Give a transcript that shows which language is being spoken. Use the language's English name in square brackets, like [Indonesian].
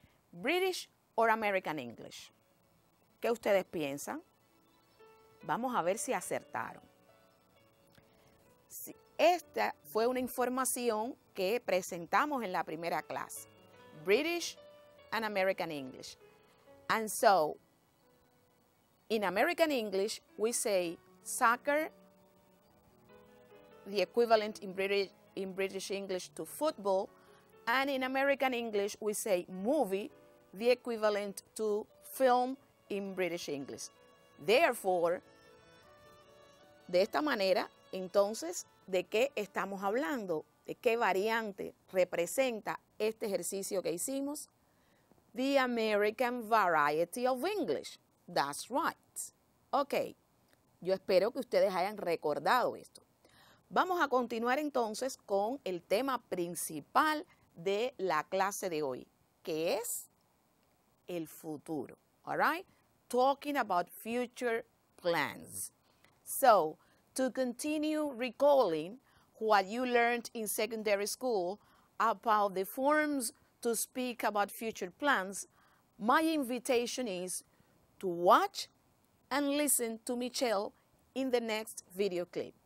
[English] British or American English. [Spanish] ¿Qué ustedes piensan? Vamos a ver si acertaron. Esta fue una información que presentamos en la primera clase. [English] British and American English. And so, in American English, we say soccer, the equivalent in British English to football, and in American English, we say movie, the equivalent to film in British English. Therefore, [Spanish] de esta manera, entonces, ¿de qué estamos hablando? ¿De qué variante representa este ejercicio que hicimos? [English] The American variety of English. That's right. [Spanish] Ok, yo espero que ustedes hayan recordado esto. Vamos a continuar entonces con el tema principal de la clase de hoy, que es el futuro. [English] All right? Talking about future plans. So, to continue recalling what you learned in secondary school about the forms to speak about future plans, my invitation is to watch and listen to Michelle in the next video clip.